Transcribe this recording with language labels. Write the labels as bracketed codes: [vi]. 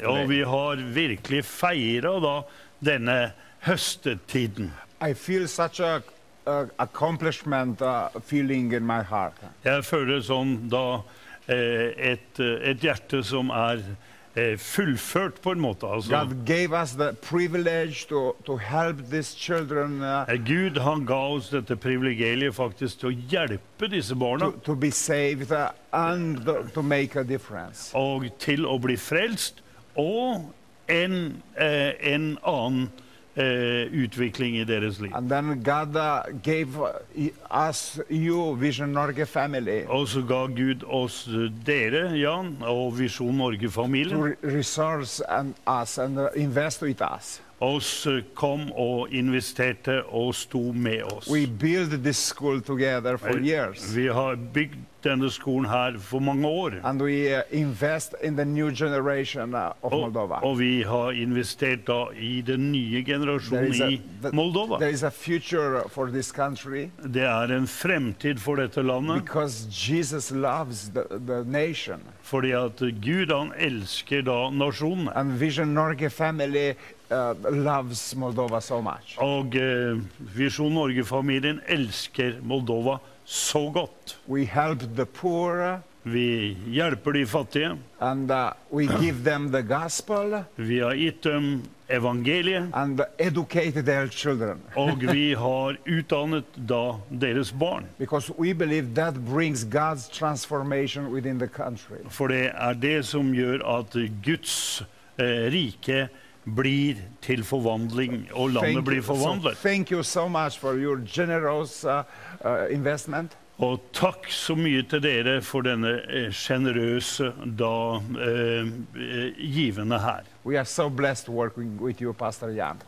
[no] Og vi har virkelig feiret da denne høsttiden. [en] I feel such a accomplishment feeling in my heart. [no] Jeg føler sånn da et hjerte som er fullført på en måte. Altså. [en] God gave us the privilege to help these children. [no] Gud han ga oss dette privilegiet faktisk til å hjelpe disse barna. [en] To be saved and to make a difference. [no] Og til å bli frelst og en annen utvikling i deres liv. [en] And then God gave us you, Vision Norge family. [no] Og så ga Gud oss dere, Jan, og Vision Norge familie. [en] To resource and us and invest with us. [no] Oss kom og investerte og sto med oss. [en] We built this school together for years. [no] Vi har bygd denne skolen her for mange år. [en] And we invest in the new generation of Moldova. [no] Og vi har investert da i den nye generasjonen i Moldova. [en] There is a future for this country. [no] Det er en fremtid for dette landet. [en] Because Jesus loves the nation. [no] Fordi at Gud han elsker da nasjonen. [en] And Vision Norge family loves Moldova so much. [no] Og Vision Norge familien elsker Moldova så godt. [en] We help the poor. [no] Vi hjelper de fattige. [en] And we give them the gospel. [no] Vi har gitt dem evangeliet. [en] And educate their children. [no] Og vi har utdannet da deres barn. [en] Because we believe that brings God's transformation within the country. [no] For det er det som gjør at Guds rike blir til forvandling og landet blir forvandlet. [en] Thank you so much for your generous investment. [no] Og takk så mye til dere for denne generøse da givende her. [en] We are so blessed working with you, Pastor Jan.